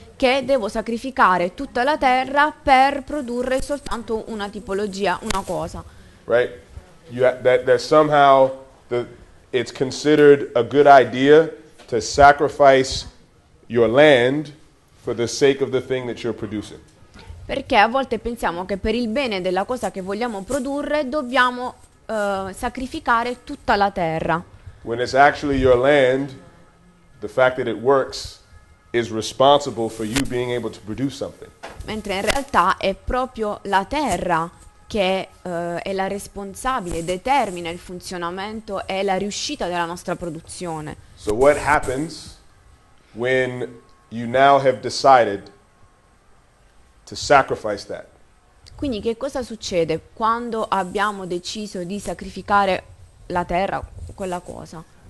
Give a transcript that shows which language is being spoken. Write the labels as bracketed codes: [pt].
[it] Che devo sacrificare tutta la terra per produrre soltanto una tipologia, una cosa. [en] Right? That somehow it's considered a good idea to sacrifice your land for the sake of the thing that you're producing. [it] Perché a volte pensiamo che per il bene della cosa che vogliamo produrre dobbiamo sacrificare tutta la terra. [en] When it's actually your land, the fact that it works is responsible for you being able to produce something. [it] Mentre in realtà è proprio la terra che è la responsabile, determina il funzionamento e la riuscita della nostra produzione. [en] So what happens when you now have decided to sacrifice that? [it] Quindi che cosa succede quando abbiamo deciso di sacrificare la terra, quella cosa?